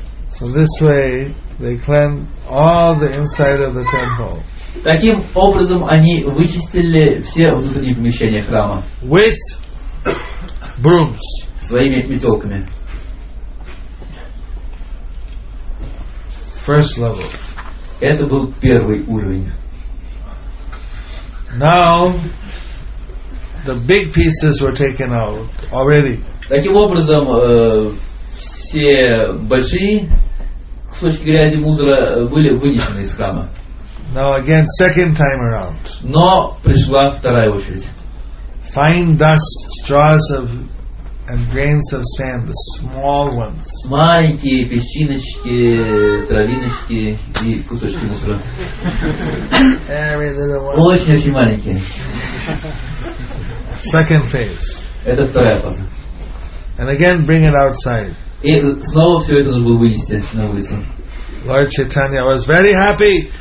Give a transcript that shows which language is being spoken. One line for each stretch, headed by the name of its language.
English: So this way they cleanse all the inside of the temple.
Russian: Таким образом они вычистили все внутренние помещения храма.
English: With brooms.
Russian: Своими метелками.
English: First level.
Russian: Это был первый уровень.
English: Now the big pieces were taken out already.
Russian: Таким образом все большие кусочки грязи мусора были вынесены из храма.
English: Now again, second time around.
Russian: Но пришла вторая очередь.
English: Fine dust, straws of and grains of sand, the small ones.
Russian: Маленькие песчиночки, травиночки и кусочки мусора.
English: Every little one.
Russian: Очень очень маленькие.
English: Second phase.
Russian: Это вторая фаза.
English: And again, bring it outside.
Russian: И снова все это нужно было вынести на улицу.
English: Lord Chaitanya was very happy.